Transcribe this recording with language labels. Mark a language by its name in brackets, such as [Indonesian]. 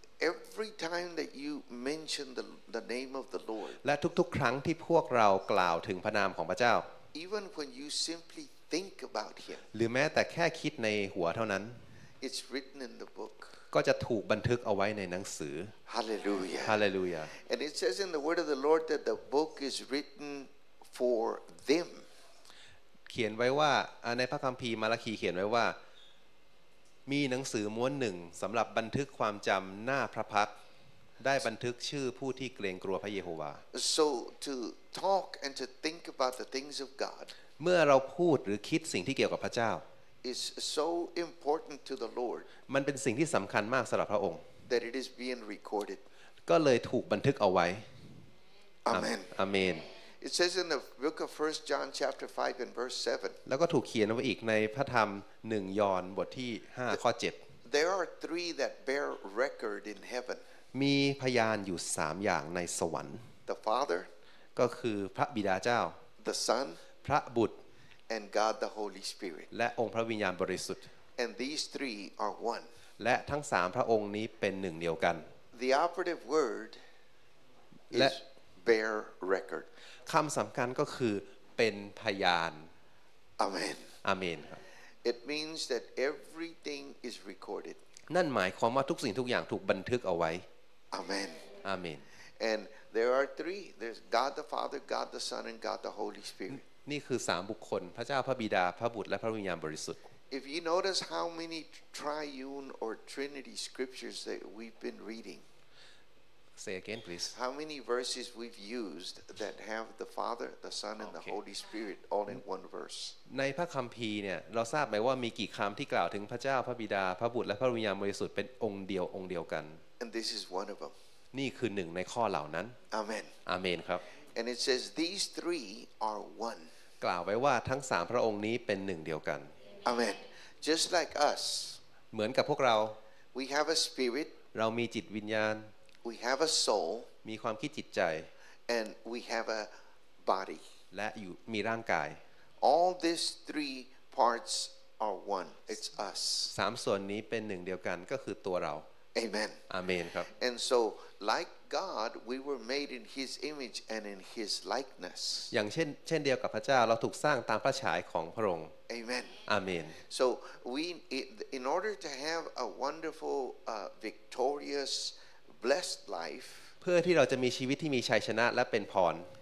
[English] every time that you mention the name of the Lord [Thai] และทุกๆครั้งที่พวกเรากล่าวถึงพระนามของพระเจ้า [English] even when you simply think about him [Thai] หรือแม้แต่แค่คิดในหัวเท่านั้น [English] it's written in the book [Thai] ก็จะถูกบันทึกเอาไว้ในหนังสือ ฮาเลลูยา ฮาเลลูยา [English] And it says in the word of the Lord that the book is written for them [Thai] เขียนไว้ว่าในพระคัมภีร์มาราคีเขียนไว้ว่ามีหนังสือม้วนหนึ่งสำหรับบันทึกความจำหน้าพระพักได้บันทึกชื่อผู้ที่เกรงกลัวพระเยโฮวา [English] So to talk and to think about the things of God [Thai] เมื่อเราพูดหรือคิดสิ่งที่เกี่ยวกับพระเจ้า [English] Is so important to the Lord. [Thai] มันเป็นสิ่งที่สำคัญมากสำหรับพระองค์ [English] That it is being recorded. [Thai] ก็เลยถูกบันทึกเอาไว้ [English] Amen. Amen. It says in the book of 1 John chapter 5 and verse 7. [Thai] แล้วก็ถูกเขียนไว้อีกในพระธรรม1ยอห์นบทที่5ข้อ7 [English] There are three that bear record in heaven. [Thai] มีพยานอยู่3อย่างในสวรรค์ [English] The Father. [Thai] ก็คือพระบิดาเจ้า [English] The Son. [Thai] พระบุตร [English] And God the Holy Spirit. [Thai] และองค์พระวิญญาณบริสุทธิ์ [English] And these three are one. [Thai] และทั้งสามพระองค์นี้เป็นหนึ่งเดียวกัน [English] The operative word is bear record. [Thai] คำสำคัญก็คือเป็นพยาน [English] Amen. Amen. It means that everything is recorded. [Thai] นั่นหมายความว่าทุกสิ่งทุกอย่างถูกบันทึกเอาไว้ [English] Amen. Amen. And there are three. There's God the Father, God the Son, and God the Holy Spirit. [Thai] นี่คือ3บุคคลพระเจ้าพระบิดาพระบุตรและพระวิญญาณบริสุทธิ์ [English] If you notice how many triune or trinity scriptures that we've been reading Say again please How many verses we've used that have the Father the Son and the Holy Spirit all in one verse [Thai] ในพระคัมภีร์เนี่ยเราทราบไหมว่ามีกี่คำที่กล่าวถึงพระเจ้าพระบิดาพระบุตรและพระวิญญาณบริสุทธิ์เป็นองค์เดียวองค์เดียวกัน [English] And this is one of them [Thai] นี่คือ1ในข้อเหล่านั้น [English] Amen [Thai] Amen ครับ [English] And it says these three are oneg [Thai] ล่าวไว้ว่าทั้ง3พระองค์นี้เป็นหนึ่งเดียวกัน [English] Amen Just like us [Thai] เหมือนกับพวกเรา [English] We have a spirit [Thai] เรามีจิตวิญญาณ [English] We have a soul [Thai] มีความคิดจิตใจ [English] And we have a body [Thai] และอยู่มีร่างกาย [English] All these three parts are one It's us [Thai] 3ส่วนนี้เป็นหนึ่งเดียวกันก็คือตัวเรา [English] Amen [Thai] Amen ครับ [English] And so likeGod we were made in his image and in his likeness [Thai] อย่างเช่นเดียวกับพระเจ้าเราถูกสร้างตามพระฉายของพระองค์ [English] Amen Amen So we in order to have a wonderful victorious blessed life [Thai] เพื่อที่เราจะมีชีวิตที่มีชัยชนะและเป็นพร